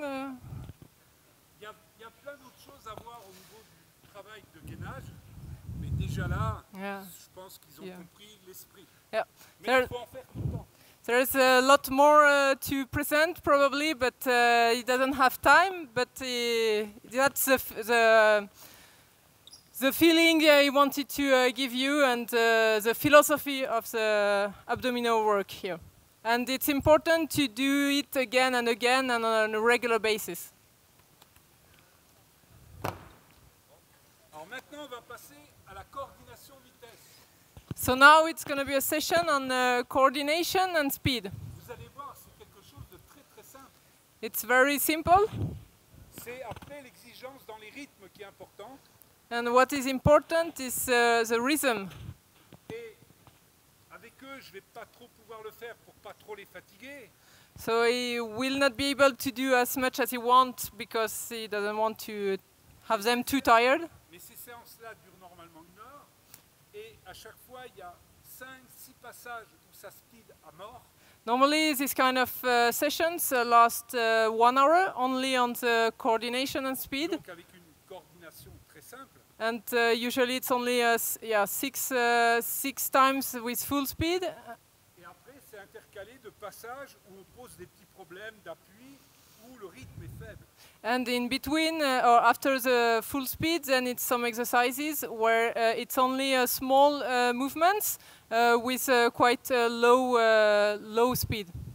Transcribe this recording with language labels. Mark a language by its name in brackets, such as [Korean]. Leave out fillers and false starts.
[French] Y a plein d'autres choses à voir au niveau du travail de gainage, mais déjà là, je pense qu'ils ont compris l'esprit. [English] Yeah. [French] Mais il faut en faire tout le temps. [English] There is a lot more to present, probably, but he doesn't have time. But that's the feeling he wanted to give you, and the philosophy of the abdominal work here. And it's important to do it again and again and on a regular basis. [French] Alors maintenant on va passer à la coordination vitesse. [English] So now it's going to be a session on coordination and speed. [French] Vous allez voir, c'est quelque chose de très très simple. [English] It's very simple. [French] C'est après l'exigence dans les rythmes qui est importante. [English] And what is important is the rhythm. [French] Je vais pas trop pouvoir le faire pour pas trop les fatiguer. [English] So he will not be able to do as much as he wants because he doesn't want to have them too tired. [French] Mais ces séances-là durent normalement une heure et à chaque fois il y a 5-6 passages où ça speed à mort. [English] Normally this kind of sessions last 1 hour only on the coordination and speed. [French] Donc avec une coordination très simple. [English] And usually it's only six times with full speed. [French] Et après, c'est intercalé de passages où on pose des petits problèmes d'appui où le rythme est faible. [English] And in between or after the full speed, then it's some exercises where it's only a small movements with quite low speed.